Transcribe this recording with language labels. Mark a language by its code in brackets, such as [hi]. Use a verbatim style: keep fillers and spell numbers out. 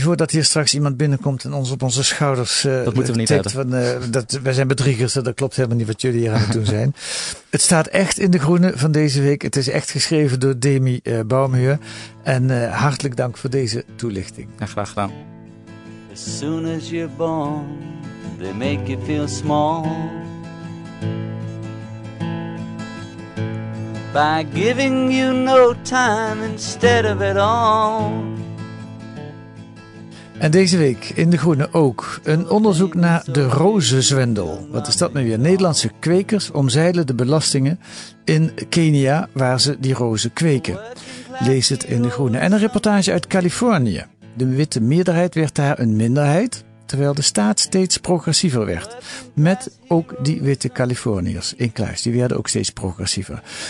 [nl] Voordat hier straks iemand binnenkomt en ons op onze schouders... Uh, dat moeten we niet hebben. Van, uh, dat, wij zijn bedriegers. Dat klopt helemaal niet wat jullie hier aan het doen zijn. Het staat echt in De Groene van deze week. Het is echt geschreven door Demi uh, Baumeur. En uh, hartelijk dank voor deze toelichting. Ja, graag gedaan. [en] As soon as you're born, they make you feel small. By giving you no time instead of it all. [nl] En deze week in De Groene ook een onderzoek naar de rozenzwendel. Wat is dat nou weer? Nederlandse kwekers omzeilen de belastingen in Kenia waar ze die rozen kweken. Lees het in De Groene. En een reportage uit Californië. De witte meerderheid werd daar een minderheid, terwijl de staat steeds progressiever werd. Met ook die witte Californiërs in kluis. Die werden ook steeds progressiever.